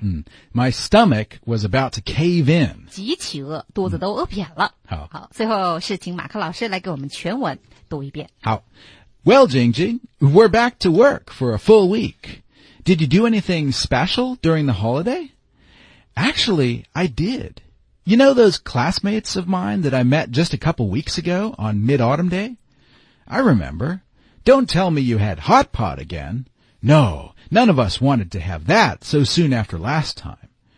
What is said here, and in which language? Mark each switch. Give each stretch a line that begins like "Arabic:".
English: 嗯、My stomach was about to cave in
Chinese: 极其饿肚子都饿扁了、嗯、好, 好最后是请马克老师来给我们全文读一遍
English: 好 Well, Jingjing, we're back to work for a full week Did you do anything special during the holiday? Actually, I did You know those classmates of mine that I met just a couple weeks ago on mid-autumn day? I remember Don't tell me you had hot pot againNo, none of us wanted to have that so soon after last time.